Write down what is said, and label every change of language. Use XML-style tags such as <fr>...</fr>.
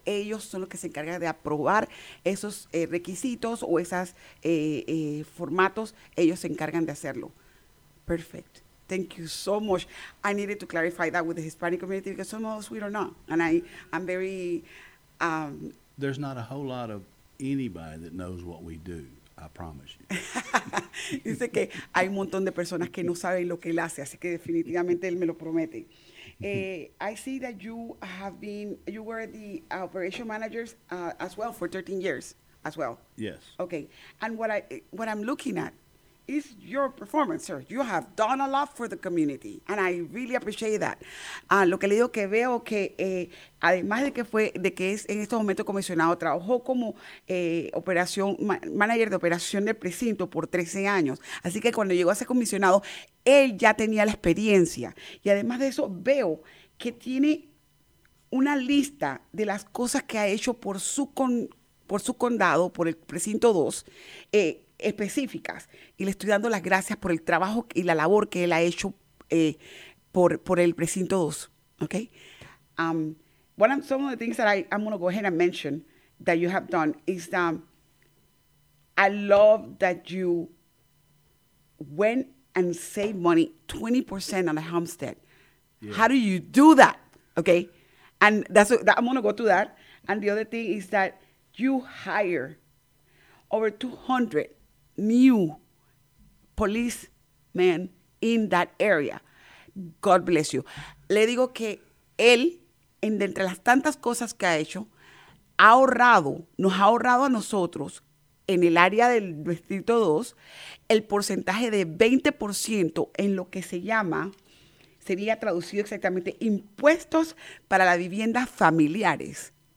<es>Ellos son los que se encargan de aprobar esos requisitos o esos formatos. Ellos se encargan de hacerlo.</es> <en>Perfect. Thank you so much. I needed to clarify that with the Hispanic community because some of us, we don't know. And I'm very... There's not a whole lot of anybody that knows what we do, I promise you.</en> <es>Dice que hay un montón de personas que no saben lo que él hace, así que definitivamente él me lo promete.</es> <en>I see that you were the operation managers as well for 13 years as well. Yes. Okay. And what I'm looking at is your performance, sir. You have done a lot for the community, and I really appreciate that.</en> <es>Lo que le digo que veo que además de que fue, de que es en este momento comisionado, trabajó como manager de operación del precinto por 13 años. Así que cuando llegó a ser comisionado, él ya tenía la experiencia. Y además de eso, veo que tiene una lista de las cosas que ha hecho por su condado, por el precinto 2, específicas, y le estoy dando las gracias por el trabajo y la labor que él ha hecho por el precinto 2.</es> <en>Okay. Some of the things that I'm going to go ahead and mention that you have done is I love that you went and saved money 20% on a homestead. Yeah. How do you do that? Okay. And that's I'm going to go to that. And the other thing is that you hire over 200 new policemen in that area. God bless you.</en> <es>Le digo que él, entre las tantas cosas que ha hecho, nos ha ahorrado a nosotros en el área del Distrito 2 el porcentaje de 20% en lo que se llama, sería traducido exactamente, impuestos para las viviendas familiares.</es>